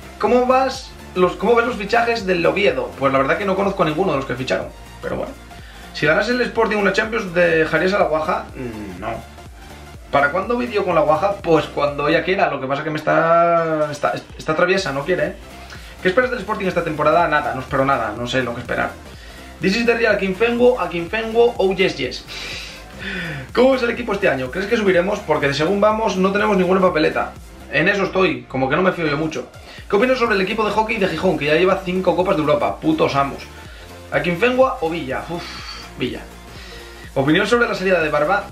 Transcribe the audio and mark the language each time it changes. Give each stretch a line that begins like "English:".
Spanish: ¿Cómo ves los fichajes del Oviedo? Pues la verdad que no conozco a ninguno de los que ficharon, pero bueno. Si ganas el Sporting una Champions, ¿dejarías a la guaja? No. ¿Para cuándo vídeo con la guaja? Pues cuando ella quiera, lo que pasa que me está traviesa, no quiere. ¿Qué esperas del Sporting esta temporada? Nada, no espero nada, no sé lo que esperar.
English: This is the real Akinfengo, oh yes yes.
Spanish: ¿Cómo es el equipo este año? ¿Crees que subiremos? Porque de según vamos no tenemos ninguna papeleta. En eso estoy, como que no me fío yo mucho. ¿Qué opinas sobre el equipo de hockey de Gijón, que ya lleva 5 copas de Europa? Putos amos. ¿Akinfengua o Villa? Uff, Villa. ¿Opinión sobre la salida de Barba?